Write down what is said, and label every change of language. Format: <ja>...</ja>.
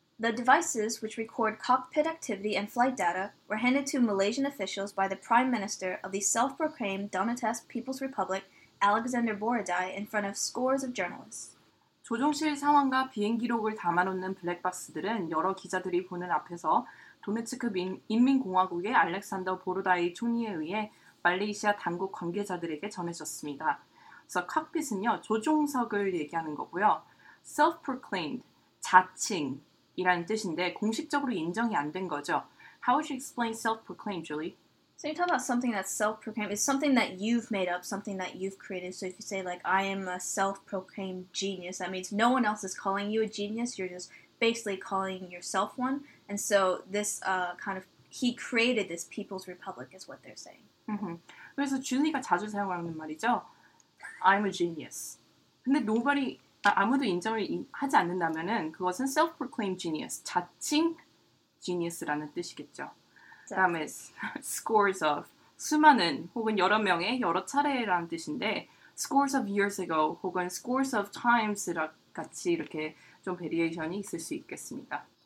<en>The devices which record cockpit activity and flight data were handed to Malaysian officials by the Prime Minister of the self-proclaimed Donetsk People's Republic, Alexander Borodin, in front of scores of journalists.</en> <ko>조종실 상황과 비행기록을 담아놓는 블랙박스들은 여러 기자들이 보는 앞에서 도네츠크 인민공화국의 알렉산더 보로다이 총리에 의해 말레이시아 당국 관계자들에게 전해졌습니다. 그래서 칵핏은요, 조종석을 얘기하는 거고요. Self-proclaimed, 자칭이라는 뜻인데 공식적으로 인정이 안 된 거죠.</ko> <en>How would you explain self-proclaimed, Julie? So you're talking about something that's self-proclaimed. It's something that you've made up, something that you've created. So if you say, like, I am a self-proclaimed genius, that means no one else is calling you a genius. You're just basically calling yourself one. And so this kind of, he created this People's Republic is what they're saying. Mm-hmm.</en> <ko>그래서 준이가 자주 사용하는 말이죠.</ko> <en>I'm a genius.</en> <ko>근데 nobody, 아무도 인정을 하지 않는다면은 그것은</ko> <en>self-proclaimed genius,</en> <ko>자칭 genius라는 뜻이겠죠. 다음에 scores of 수많은 혹은 여러 명의 여러 차례라는 뜻인데</ko> <en>scores of years ago</en> <ko>혹은</ko> <en>scores of times</en> <ko>같이 이렇게 좀 베리에이션이 있을 수 있겠습니다.</ko>